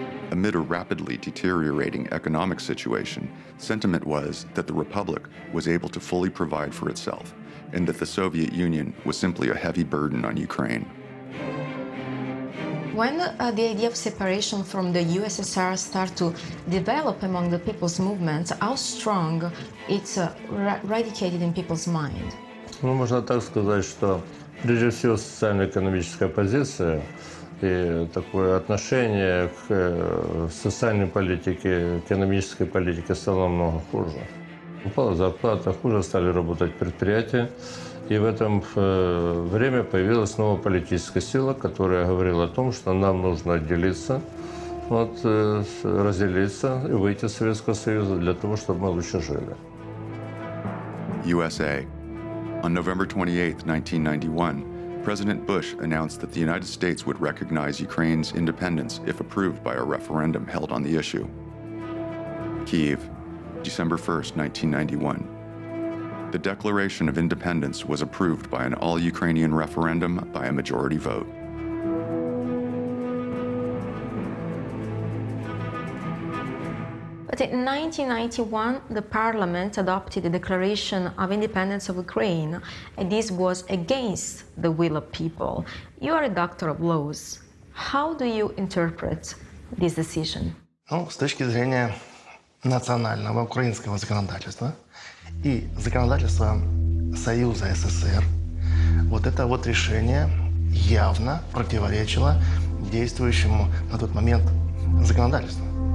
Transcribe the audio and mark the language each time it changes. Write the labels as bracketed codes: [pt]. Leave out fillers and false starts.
[en] Amid a rapidly deteriorating economic situation, sentiment was that the Republic was able to fully provide for itself and that the Soviet Union was simply a heavy burden on Ukraine. When the idea of separation from the USSR started to develop among the people's movements, how strong it's radicated in people's mind? [uk] Ну, можна так сказати, що прежде всього соціально-економічна позиція [ru] и такое отношение к социальной политике, экономической политике стало намного хуже. Упала зарплата, хуже стали работать предприятия. И в этом время появилась новая политическая сила, которая говорила о том, что нам нужно отделиться, вот, разделиться и выйти из Советского Союза для того, чтобы мы лучше жили. [en] USA. On November 28, 1991, President Bush announced that the United States would recognize Ukraine's independence if approved by a referendum held on the issue. Kyiv, December 1, 1991. The Declaration of Independence was approved by an all-Ukrainian referendum by a majority vote. But in 1991, the parliament adopted the Declaration of Independence of Ukraine, and this was against the will of people. You are a doctor of laws. How do you interpret this decision? [ru] Ну, з точки зрения національного українського законодавства і законодавства Союзу СССР, вот это вот решение явно противоречило действующему на тот момент законодательству.